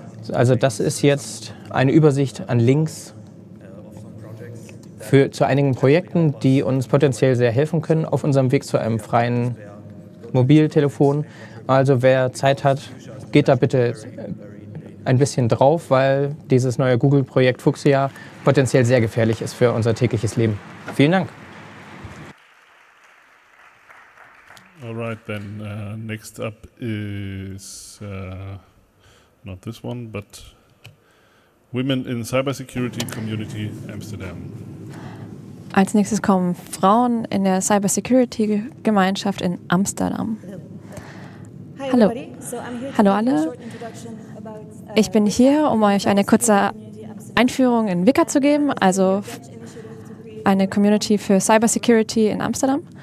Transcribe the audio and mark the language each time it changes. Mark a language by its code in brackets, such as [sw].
[de] Also das ist jetzt eine Übersicht an Links zu einigen Projekten, die uns potenziell sehr helfen können auf unserem Weg zu einem freien Mobiltelefon. Also wer Zeit hat, geht da bitte ein bisschen drauf, weil dieses neue Google-Projekt Fuchsia potenziell sehr gefährlich ist für unser tägliches Leben. Vielen Dank. [en] All right, then next up is not this one, but Women in Cybersecurity Community Amsterdam. [de] Als nächstes kommen Frauen in der Cybersecurity-Gemeinschaft in Amsterdam. Hallo. Hallo alle. Ich bin hier, um euch eine kurze Einführung in Wicca zu geben, also eine Community für Cybersecurity in Amsterdam.